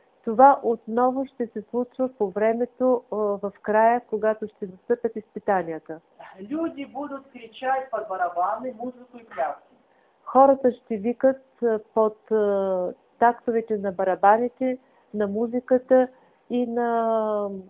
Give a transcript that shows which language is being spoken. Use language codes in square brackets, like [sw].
[bg] Това отново ще се случва по времето в края, когато ще настъпят изпитанията. [ru] Люди будут кричать под барабаны, музыку и пляски. [bg] Хората ще викат под тактовете на барабаните, на музиката и на